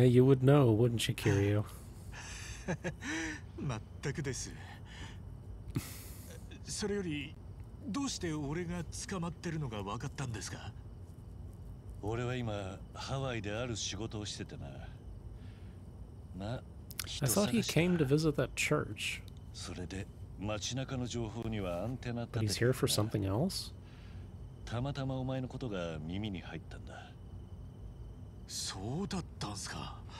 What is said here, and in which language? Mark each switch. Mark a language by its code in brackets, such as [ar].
[en] Yeah, you would know, wouldn't you, Kiryu? [ja] 全くです。それよりどうして俺が捕まってるのが分かったんですか。俺は今ハワイである仕事をしててな。まあ、 [en] I thought he came to visit that church. [ja] それで街中の情報にはアンテナ立てて。 [en] He's here for something else? [ja] たまたまお前のことが耳に入ったんだ。そうだったんすか。